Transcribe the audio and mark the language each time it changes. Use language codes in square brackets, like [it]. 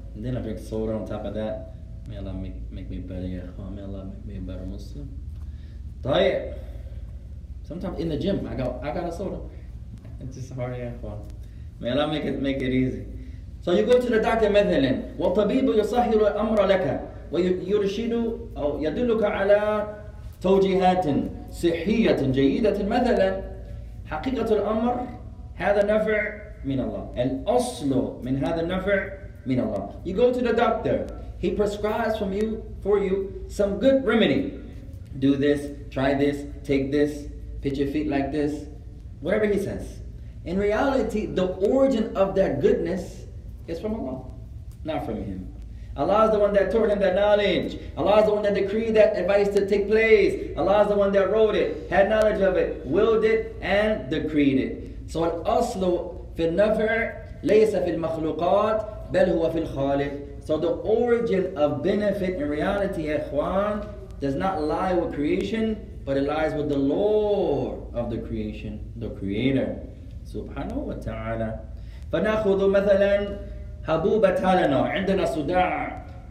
[en] And then I drink soda on top of that. May Allah make me better. Yeah. May Allah make me a better Muslim. [ar] طيب. [en] Sometimes in the gym, I got a soda. It's just hard, yeah. May Allah make it easy. So you go to the doctor, [ar] مثلاً. وَالطَبِيبُ يُصَحِّرُ أَمْرَ لَكَ ويرشد أو يدلك على توجيهات صحية جيدة مثلا حقيقة الأمر هذا نفع من الله الأصل من هذا النفع من الله. [en] You go to the doctor, he prescribes for you some good remedy. Do this, try this, take this, pitch your feet like this, whatever he says. In reality, the origin of that goodness is from Allah, not from him. Allah is the one that taught him that knowledge. Allah is the one that decreed that advice to take place. Allah is the one that wrote it, had knowledge of it, willed it, and decreed it. [ar] So الأصل في النفع ليس في المخلوقات بل هو في الخالق. [en] So the origin of benefit in reality, [ar] إخوان, [en] does not lie with creation, but it lies with the Lord of the creation, the Creator, [ar] سبحانه وتعالى. فنأخذ مثلا حبوب تالانو. عندنا صداع.